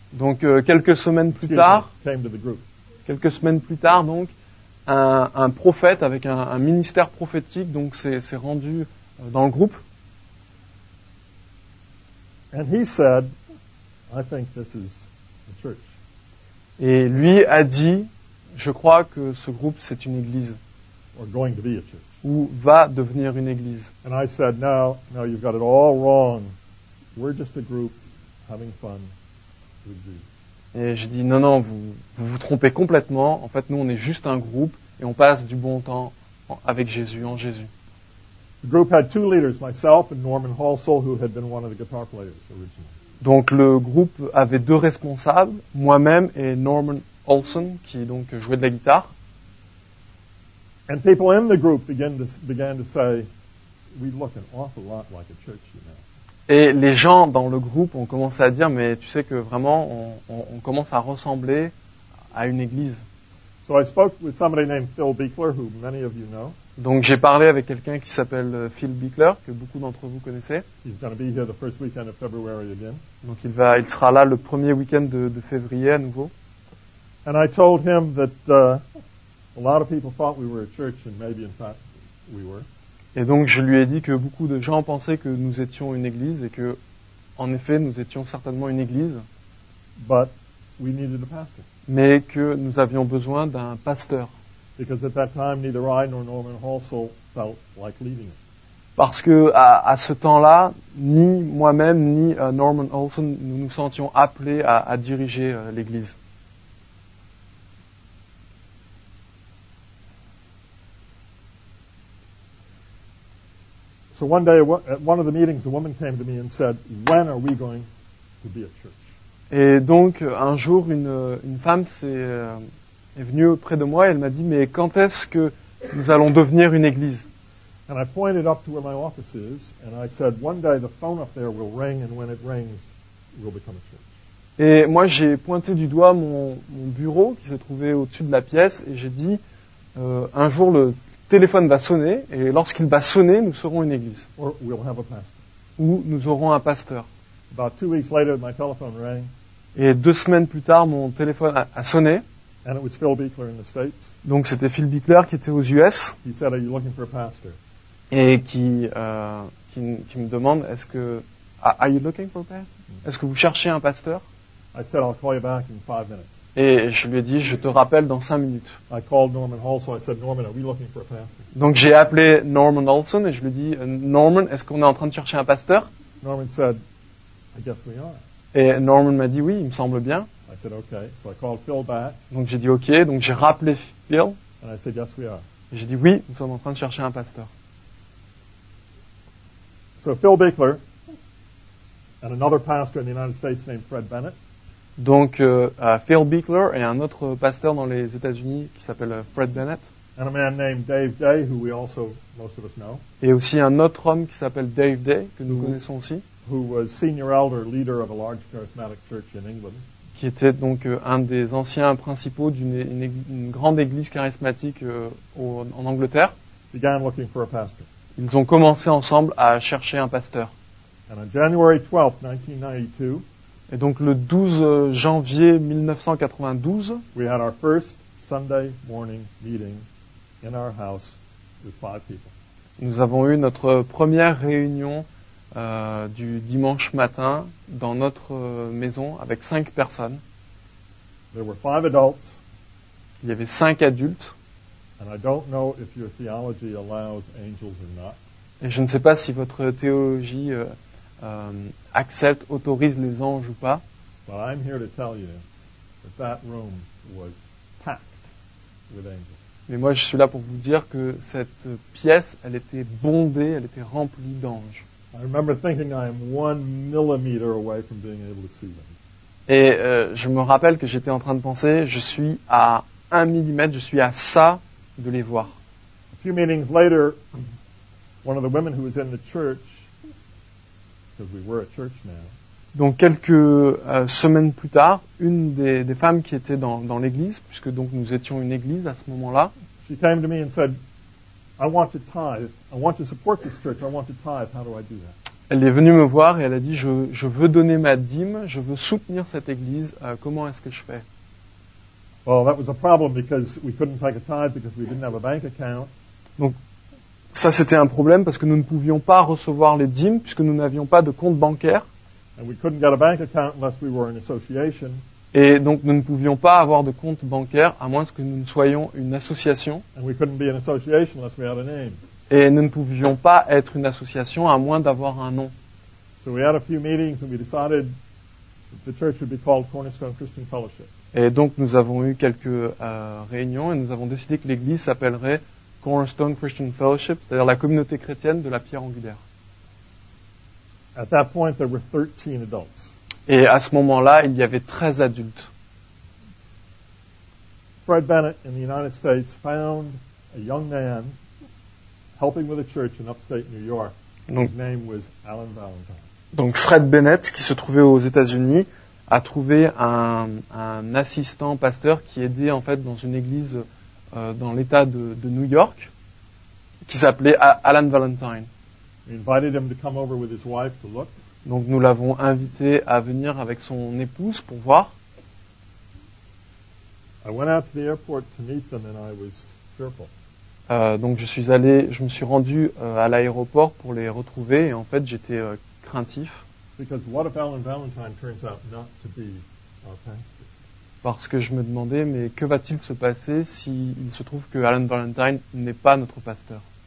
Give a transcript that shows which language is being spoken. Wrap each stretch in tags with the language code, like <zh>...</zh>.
<fr>Donc quelques semaines plus tard,</fr> <en>came to the group.</en> <fr>Quelques semaines plus tard, donc. Un prophète avec un ministère prophétique, donc c'est rendu dans le groupe.</fr> <en>And he said, I think this is the church.</en> <fr>Et lui a dit, je crois que ce groupe c'est une église.</fr> <en>Or going to be a church.</en> <fr>Ou va devenir une église.</fr> <en>And I said, no, you've got it all wrong. We're just a group having fun with Jesus.</en> <fr>Et j'ai dit, non, vous vous trompez complètement. En fait, nous, on est juste un groupe et on passe du bon temps avec Jésus, en Jésus.</fr> <en>The group had two leaders, myself and Norman Halsall, who had been one of the guitar players originally.</en> <fr>Donc, le groupe avait deux responsables, moi-même et Norman Olson, qui donc jouait de la guitare.</fr> <en>And people in the group began to say, we look an awful lot like a church, you know.</en> <fr>Et les gens dans le groupe ont commencé à dire, mais tu sais que vraiment, on commence à ressembler à une église.</fr> <en>So I spoke with somebody named Phil Beekler, who many of you know.</en> <fr>Donc j'ai parlé avec quelqu'un qui s'appelle Phil Beekler, que beaucoup d'entre vous connaissez.</fr> <en>He's going to be here the first weekend of February again.</en> <fr>Donc il sera là le premier week-end de février à nouveau.</fr> <en>And I told him that a lot of people thought we were a church, and maybe in fact we were.</en> <fr>Et donc je lui ai dit que beaucoup de gens pensaient que nous étions une église et que, en effet, nous étions certainement une église.</fr> <en>But we needed a pastor.</en> <fr>Mais que nous avions besoin d'un pasteur.</fr> <en>Because at that time, neither I nor Norman Halsall felt like leading it.</en> <fr>Parce que à ce temps-là, ni moi-même ni Norman Halsall, nous nous sentions appelés à diriger l'église.</fr> <en>So one day at one of the meetings a woman came to me and said, "When are we going to be a church?"</en> <fr>Et donc un jour une femme est venue auprès de moi et elle m'a dit, "Mais quand est-ce que nous allons devenir une église?"</fr> <en>And I pointed up to where my office is and I said, "One day the phone up there will ring and when it rings we'll become a church."</en> <fr>Et moi j'ai pointé du doigt mon bureau qui se trouvait au-dessus de la pièce et j'ai dit un jour le téléphone va sonner et lorsqu'il va sonner, nous serons une église.</fr> <en>Or we'll have a pastor.</en> <fr>Ou nous aurons un pasteur.</fr> <en>About 2 weeks later, my telephone rang.</en> <fr>Et 2 semaines plus tard, mon téléphone a sonné.</fr> <en>And it was Phil Beekler in the States.</en> <fr>Donc c'était Phil Beekler qui était aux US.</fr> <en>He said, "Are you looking for a pastor?"</en> <fr>Et qui me demande,</fr> <en>"Are you looking for a pastor?"</en> <fr>Est-ce que vous cherchez un pasteur?</fr> <en>I said, "I'll call you back in 5 minutes."</en> <fr>Et je lui ai dit, je te rappelle dans 5 minutes.</fr> <en>I called Norman Halsall, I said, "Norman, are we looking for a pastor?"</en> <fr>Donc j'ai appelé Norman Olson et je lui ai dit, "Norman, est-ce qu'on est en train de chercher un pasteur?"</fr> <en>Norman said, "I guess we are."</en> <fr>Et Norman m'a dit, "Oui, il me semble bien."</fr> <en>I said, "Okay." So I called Phil back.</en> <fr>Donc j'ai dit, "Ok." Donc j'ai rappelé Phil.</fr> <en>And I said, "Yes, we are."</en> <fr>Et j'ai dit, "Oui, nous sommes en train de chercher un pasteur."</fr> <en>So Phil Beekler and another pastor in the United States named Fred Bennett.</en> <fr>Donc Phil Beekler et un autre pasteur dans les États-Unis qui s'appelle Fred Bennett.</fr> <en>And a man named Dave Day, who we also most of us know.</en> <fr>Et aussi un autre homme qui s'appelle Dave Day que nous connaissons aussi.</fr> <en>Who was senior elder leader of a large charismatic church in England.</en> <fr>Qui était donc un des anciens principaux d'une grande église charismatique en Angleterre.</fr> <en>Began looking for a pastor.</en> <fr>Ils ont commencé ensemble à chercher un pasteur.</fr> <en>And on January 12th, 1992.</en> <fr>Et donc le 12 janvier 1992,</fr> <en>we had our first Sunday morning meeting in our house with five people.</en> <fr>Nous avons eu notre première réunion du dimanche matin dans notre maison avec cinq personnes.</fr> <en>There were five adults.</en> <fr>Il y avait cinq adultes.</fr> <en>And I don't know if your theology allows angels or not.</en> <fr>Et je ne sais pas si votre théologie accepte, autorise les anges ou pas.</fr> <en>But I'm here to tell you that that room was packed with angels.</en> <fr>Mais moi, je suis là pour vous dire que cette pièce, elle était bondée, elle était remplie d'anges.</fr> <en>I remember thinking I am one millimeter away from being able to see them.</en> <fr>Et je me rappelle que j'étais en train de penser, je suis à un millimètre, je suis à ça de les voir.</fr> <en>A few meetings later, one of the women who was in the church, because we were a church now.</en> <fr>Donc quelques semaines plus tard, une des femmes qui était dans l'église, puisque donc nous étions une église à ce moment-là,</fr> <en>she came to me and said, I want to tithe. I want to support this church. I want to tithe. How do I do that?</en> <fr>Elle est venue me voir et elle a dit, je veux donner ma dîme, je veux soutenir cette église, comment est-ce que je fais?</fr> <en>Well, that was a problem because we couldn't take a tithe because we didn't have a bank account.</en> <fr>Donc ça c'était un problème parce que nous ne pouvions pas recevoir les dîmes puisque nous n'avions pas de compte bancaire.</fr> <en>And we couldn't get a bank account unless we were an association.</en> <fr>Et donc nous ne pouvions pas avoir de compte bancaire à moins que nous ne soyons une association.</fr> <en>And we couldn't be an association unless we had a name.</en> <fr>Et nous ne pouvions pas être une association à moins d'avoir un nom.</fr> <en>So we had a few meetings and we decided that the church would be called Cornerstone Christian Fellowship.</en> <fr>Et donc nous avons eu quelques réunions et nous avons décidé que l'église s'appellerait Cornerstone Christian Fellowship, c'est-à-dire la communauté chrétienne de la pierre angulaire.</fr> <en>At that point, there were 13 adults.</en> <fr>Et à ce moment-là, il y avait 13 adultes.</fr> <en>Fred Bennett in the United States found a young man helping with a church in upstate New York.</en> <fr>Donc,</fr> <en>his name was Alan Valentine.</en> <fr>Donc Fred Bennett, qui se trouvait aux États-Unis, a trouvé un assistant pasteur qui aidait en fait dans une église dans l'état de New York, qui s'appelait Alan Valentine.</fr> <en>We invited him to come over with his wife to look.</en> <fr>Donc nous l'avons invité à venir avec son épouse pour voir.</fr> <en>I went out to the airport to meet them and I was fearful.</en> <fr>Donc je me suis rendu à l'aéroport pour les retrouver et en fait j'étais craintif.</fr> <en>Because what if Alan Valentine turns out not to be our pastor?</en> <fr>Parce que je me demandais, mais que va-t-il se passer s'il se trouve que Alan Valentine n'est pas notre pasteur?</fr>